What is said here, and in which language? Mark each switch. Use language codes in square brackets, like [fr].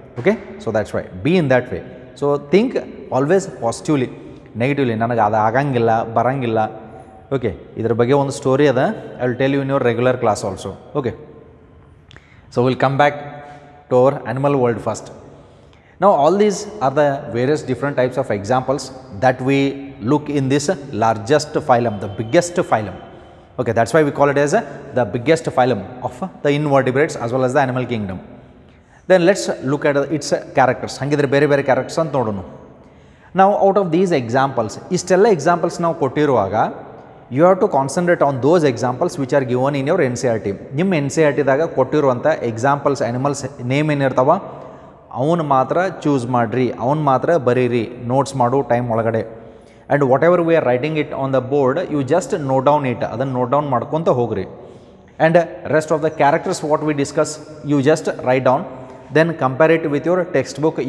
[en] Okay, so that's why be in that way. So think always positively, negatively. [kn] ನನಗೆ ಅದು ಆಗಂಗಿಲ್ಲ, ಬರಂಗಿಲ್ಲ. Okay, ಇದ್ರ ಬಗ್ಗೆ ಒಂದು ಸ್ಟೋರಿ ಅದ, [en] I will tell you in your regular class also. Okay, so will come back to our animal world first. Now all these are the various different types of examples that we look in this largest phylum, the biggest phylum. Okay, that's why we call it as the biggest phylum of the invertebrates as well as the animal kingdom. Then let's look at its characters. [kn] Hangidre bere bere characters ant nodonu. [en] Now out of these examples, [kn] istella examples now kotiruvaga, [en] you have to concentrate on those examples which are given in your NCERT. [kn] Nimma NCERT daga kotiruvanta examples, animals name en irthava, ಅವನು ಮಾತ್ರ choose ಮಾಡಿರಿ, ಅವನು ಮಾತ್ರ ಬರೀರಿ, notes ಮಾಡು time ಒಳಗಡೆ. [en] and whatever we are writing it on the board, you just note down it, [kn] ಅದನ್ನು note down ಮಾಡ್ಕೊತ ಹೋಗ್ರಿ. [en] And rest of the characters what we discuss, you just write down, then compare it with your textbook.